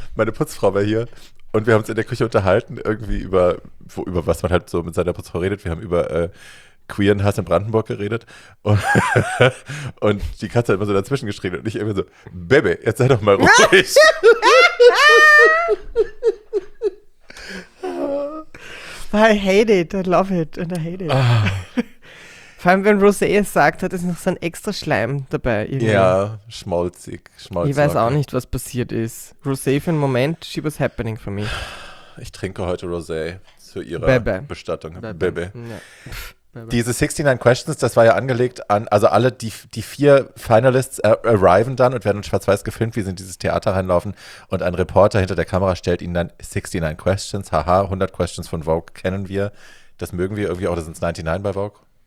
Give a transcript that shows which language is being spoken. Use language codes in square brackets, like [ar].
[de] Meine Putzfrau war hier und wir haben uns in der Küche unterhalten, irgendwie über was man halt so mit seiner Putzfrau redet. Wir haben über queeren Hass in Brandenburg geredet und die Katze hat immer so dazwischen geschrien und ich immer so, Baby, jetzt sei doch mal ruhig. [en] I hate it, I love it and I hate it. Ah. [de] Vor allem, wenn Rosé es sagt, hat es noch so ein extra Schleim dabei. Irgendwie. Ja, schmalzig. Ich weiß auch nicht, was passiert ist. [en] Rosé [de] für einen Moment, [en] she was happening for me. [de] Ich trinke heute Rosé zu ihrer Bebe. Bestattung. Baby. Diese 69 Questions, das war ja angelegt an, also alle, die vier Finalists arriven dann und werden in schwarz-weiß gefilmt, wie sie in dieses Theater reinlaufen und ein Reporter hinter der Kamera stellt ihnen dann 69 Questions, haha, 100 Questions von Vogue kennen wir, das mögen wir irgendwie auch, das sind 99 bei Vogue?